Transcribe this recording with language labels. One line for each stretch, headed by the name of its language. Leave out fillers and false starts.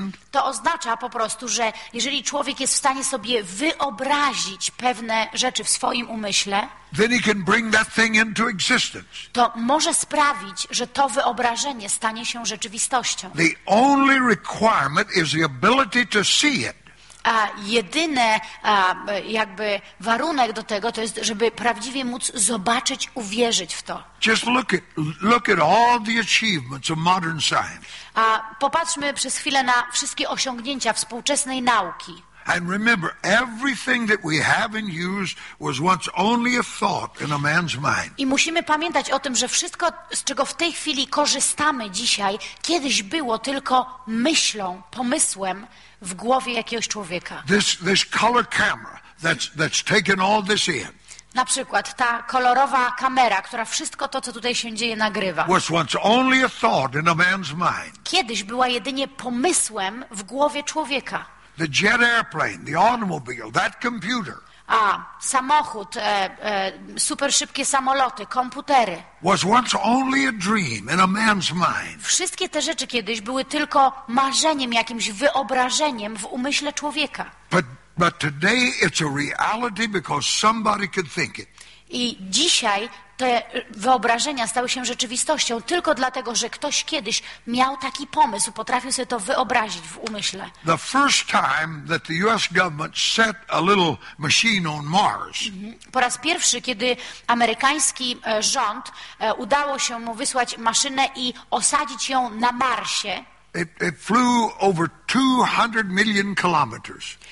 Polish: To oznacza po prostu, że jeżeli człowiek jest w stanie sobie wyobrazić pewne rzeczy w swoim umyśle,
English: then he can bring that thing into existence.
Polish: To może sprawić, że to wyobrażenie stanie się rzeczywistością.
English: The only requirement is the ability to see it.
Polish: Jedyny warunek do tego to jest, żeby prawdziwie móc zobaczyć, uwierzyć w to.
English: Just look at all the achievements of modern science.
Polish: Popatrzmy przez chwilę na wszystkie osiągnięcia współczesnej nauki.
English: And remember, everything that we have and use was once only a thought in a man's mind.
Polish: I musimy pamiętać o tym, że wszystko, z czego w tej chwili korzystamy dzisiaj, kiedyś było tylko myślą, pomysłem w głowie jakiegoś człowieka.
English: This color camera that's taken all this in.
Polish: Na przykład ta kolorowa kamera, która wszystko to, co tutaj się dzieje, nagrywa.
English: Was once only a thought in a man's mind.
Polish: Kiedyś była jedynie pomysłem w głowie człowieka.
English: The jet airplane, the automobile, that computer.
Polish: A samochód, super szybkie samoloty, komputery.
English: Was once only a dream in a man's mind.
Polish: Wszystkie te rzeczy kiedyś były tylko marzeniem, jakimś wyobrażeniem w umyśle człowieka.
English: But today it's a reality because somebody could think it.
Polish: I dzisiaj te wyobrażenia stały się rzeczywistością tylko dlatego, że ktoś kiedyś miał taki pomysł, potrafił sobie to wyobrazić w umyśle.
English: The first time that the US government set a little machine on Mars.
Polish: Po raz pierwszy, kiedy amerykański rząd udało się mu wysłać maszynę i osadzić ją na Marsie.
English: It flew over 200 million kilometers.